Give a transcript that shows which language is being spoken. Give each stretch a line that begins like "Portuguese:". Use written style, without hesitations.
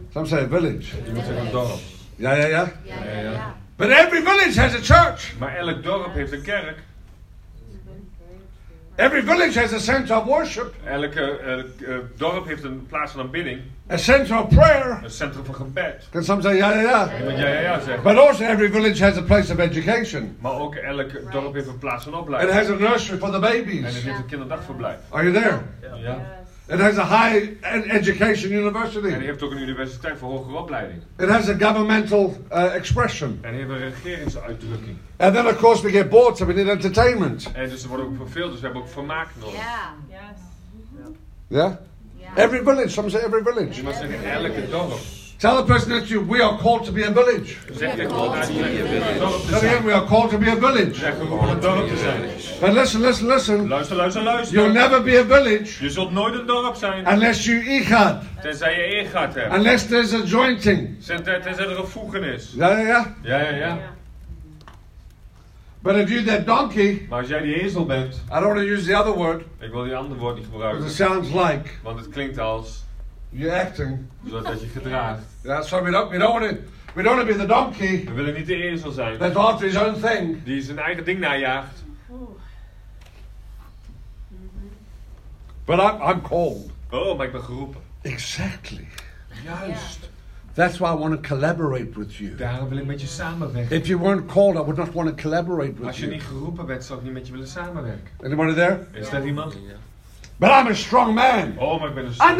English: Some say a village.
Dutch: Je moet zeggen een dorp.
English: Ja. But every village has a church.
Dutch: Maar elk dorp heeft een kerk.
English: Every village has a center of worship.
Dutch: Elke dorp heeft een plaats van aanbidding.
English: A center of prayer.
Dutch: Een centrum van gebed.
English: Can some say ja. But also every village has a place of education.
Dutch: Maar ook elk dorp heeft een plaats van opleiding.
English: It has a nursery for the babies.
Dutch: En het heeft een kinderdagverblijf.
English: Are you there? Yeah. It has a high education university.
Dutch: En het heeft ook een universiteit voor hogere opleiding.
English: It has a governmental expression.
Dutch: En heeft een regeringsuitdrukking.
English: And then of course we get bored, so we need entertainment.
Dutch: En dus er wordt ook verveeld, dus we hebben ook vermaak nodig.
English: Yeah. Yeah. Every village, some say every village. You must say
Dutch: elke dorp.
English: Tell the person next to you, we are called to be a village. Tell him, we are called to be a village. But listen, listen, listen.
Dutch: Luister, luister, luister.
English: You'll never be a village.
Dutch: Je zult nooit een dorp zijn.
English: Unless you ichad.
Dutch: Tenzij je ichad hebt.
English: Unless there's a jointing.
Dutch: Tenzij er een voegen is.
English: Ja. But if you're that donkey,
Dutch: maar als jij die ezel bent,
English: I don't want to use the other word.
Dutch: Ik wil die andere woord niet gebruiken.
English: Because it sounds like.
Dutch: Want het klinkt als.
English: You're acting.
Dutch: Zoals dat je gedraagt.
English: Yeah, so we don't want to be the donkey.
Dutch: We willen niet de ezel zijn.
English: That's after his own thing.
Dutch: Die zijn eigen ding najaagt.
English: But I'm called.
Dutch: Oh, maar ik ben geroepen.
English: Exactly.
Dutch: Juist. Yeah.
English: That's why I want to collaborate with you.
Dutch: Daarom wil ik met je samenwerken.
English: If you weren't called, I would not want to collaborate with you.
Dutch: Als je niet geroepen werd, zou ik niet met je willen samenwerken.
English: Anybody there?
Dutch: Is dat iemand?
English: But I'm a strong man.
Dutch: Oh, maar ik ben een sterk man.